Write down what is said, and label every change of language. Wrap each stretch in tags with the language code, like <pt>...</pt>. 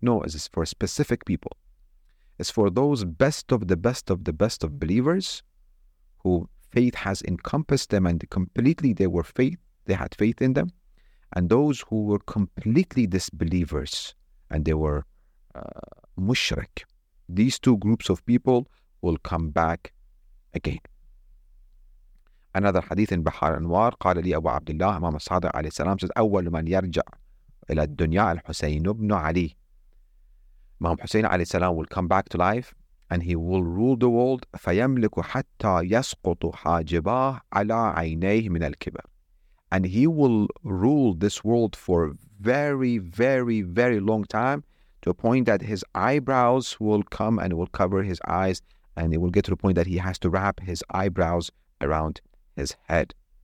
<en>No, it's for specific people. It's for those best of the best of the best of believers who faith has encompassed them and completely they were faith, they had faith in them. And those who were completely disbelievers and they were mushrik. These two groups of people will come back again. Another hadith in Bihar Anwar,</en> <ar>قال لي أبو عبد الله إمام الصادق عليه السلام</ar> <en>says,</en> <ar>أول من يرجع إلى الدنيا الحسين بن علي.</ar> <en>Imam Hussein alayhi salam will come back to life and he will rule the world.</en> <ar>فَيَمْلِكُ حَتَّى يَسْقُطُ حَاجِبَاهُ عَلَىٰ عَيْنَيْهِ مِنَ الْكِبَرِ.</ar> <en>And he will rule this world for very, very, very long time, to a point that his eyebrows will come and will cover his eyes, and it will get to the point that he has to wrap his eyebrows around his head.</en>